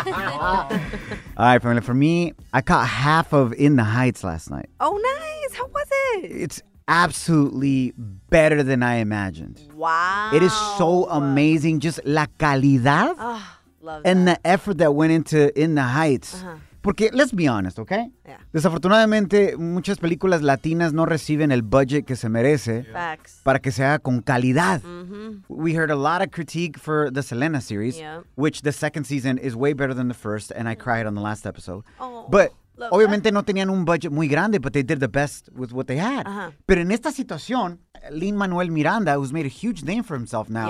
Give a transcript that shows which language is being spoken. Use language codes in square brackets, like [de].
[en] All right, family. For me, I caught half of In the Heights last night. Oh, nice. How was it? It's absolutely better than I imagined. Wow. It is so amazing. Just [es] la calidad. [en] And that. The effort that went into In the Heights. Uh-huh. Porque, let's be honest, okay? Yeah. [es] Desafortunadamente, muchas películas latinas no reciben el budget que se merece. [en] Yeah. Facts. [es] Para que se haga con calidad. [en] Mm-hmm. We heard a lot of critique for the Selena series, yeah. Which the second season is way better than the first, and I cried on the last episode. Oh, but, obviamente, that. [es] No tenían un budget muy grande, [en] but they did the best with what they had. Uh-huh. Pero en esta situación, Lin-Manuel Miranda, who's made a huge name for himself now,